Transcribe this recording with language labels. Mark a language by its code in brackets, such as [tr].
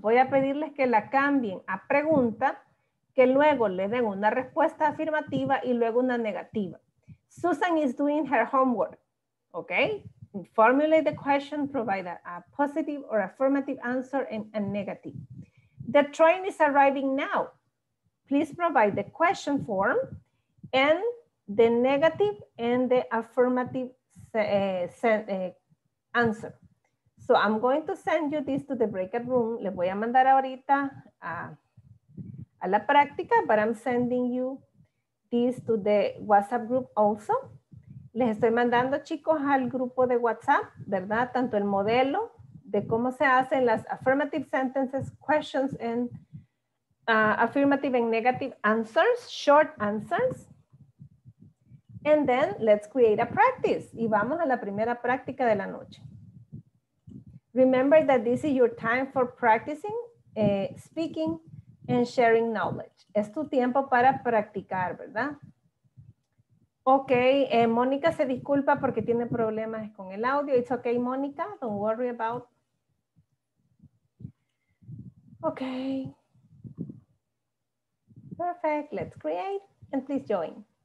[es] Voy a pedirles que la cambien a pregunta, que luego le den una respuesta afirmativa y luego una negativa. [en] Susan is doing her homework. Okay? Formulate the question, provide a positive or affirmative answer and a negative. The train is arriving now. Please provide the question form and the negative and the affirmative answer. So I'm going to send you this to the breakout room. [es] Le voy a mandar ahorita a la práctica, [en] but I'm sending you this to the WhatsApp group also. [es] Les estoy mandando, chicos, al grupo de WhatsApp, ¿verdad? Tanto el modelo de cómo se hacen las [en] affirmative sentences, questions and affirmative and negative answers, short answers. And then let's create a practice. [es] Y vamos a la primera práctica de la noche. [en] Remember that this is your time for practicing, speaking and sharing knowledge. [es] Es tu tiempo para practicar, ¿verdad? Ok, Mónica se disculpa porque tiene problemas con el audio. [en] It's okay, Mónica. Don't worry about. Ok. Perfect. Let's create and please join.